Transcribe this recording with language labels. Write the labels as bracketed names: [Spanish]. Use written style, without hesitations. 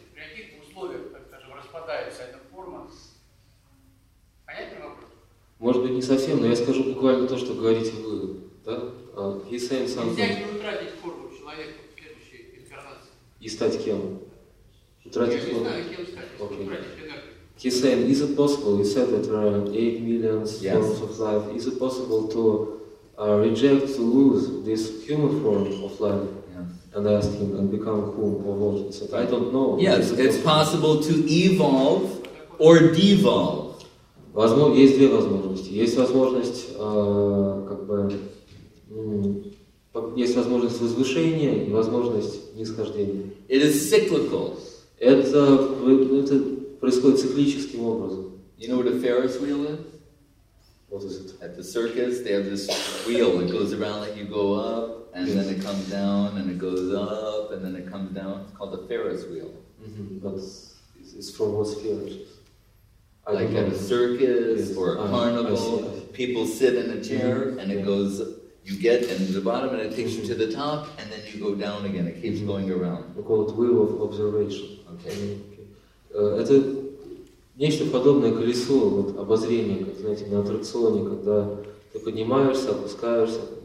[Russian] При каких условиях, так скажем, распадается эта форма? Понятный вопрос? Может быть, не совсем, но я скажу буквально то, что говорите вы. Да? Нельзя ли утратить форму человека в следующей инкарнации? И стать кем? Утратить форму? Я не знаю, кем стать, если утратить энергию. [English] He's saying, is it possible, you said that there are 8 million forms of life, is it possible to reject, to lose this human form of life? Yes. And I asked him, and become whom or what? He said, I don't know. Yes, it's possible to evolve or devolve. [Russian] Есть две возможности. Есть возможность, как бы, есть возможность возвышения и возможность нисхождения. [English] It is cyclical. [Russian] Это происходит циклическим образом. [English] You know where the Ferris wheel is? What is it? At the circus, they have this wheel. It goes around like you go up, and then it comes down, and it goes up, and then it comes down. It's called the Ferris wheel. Mm-hmm. But it's for what Ferris? Like at a circus or a carnival, people sit in a chair, and it goes. You get into the bottom, and it takes you to the top, and then you go down again. It keeps going around. We call it wheel of observation. Okay. [Russian] Это нечто подобное колесу вот обозрения, как знаете, на аттракционе, когда ты поднимаешься, опускаешься.